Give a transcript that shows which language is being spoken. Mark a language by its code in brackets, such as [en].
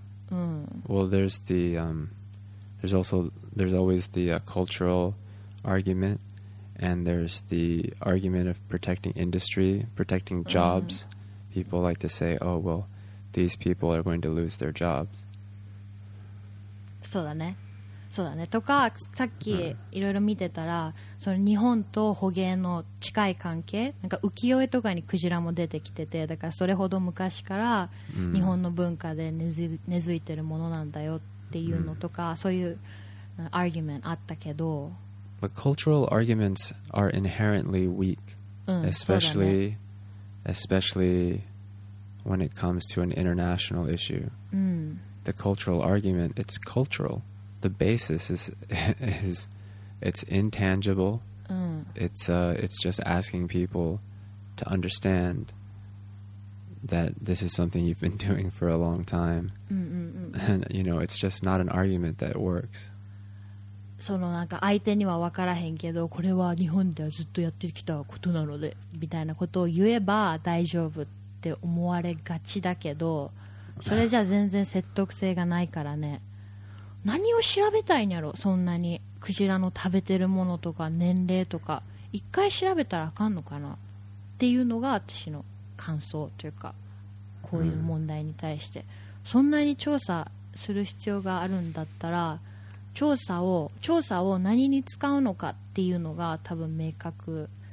[en] うん。Well, there's the... There's always the cultural argument, and there's the argument of protecting industry, protecting jobs. Mm-hmm. People like to say, oh, well, these people are going to lose their jobs. [ja] そうだね。そうだね。とか、さっきいろいろ見てたら、その日本と捕鯨の近い関係、なんか浮世絵とかにクジラも出てきてて、だからそれほど昔から日本の文化で根付いてるものなんだよっていうのとか、そういう。 Argument あったけど [en] But cultural arguments are inherently weak, especially, especially when it comes to an international issue. The cultural argument, it's cultural. The basis is it's intangible. It's just asking people to understand that this is something you've been doing for a long time. And, you know, it's just not an argument that works. [ja] そのなんか相手には分からへんけどこれは日本ではずっとやってきたことなのでみたいなことを言えば大丈夫って思われがちだけどそれじゃ全然説得性がないからね何を調べたいんやろそんなにクジラの食べてるものとか年齢とか一回調べたらあかんのかなっていうのが私の感想というかこういう問題に対してそんなに調査する必要があるんだったら調査を何に使うのかっていうのが多分明確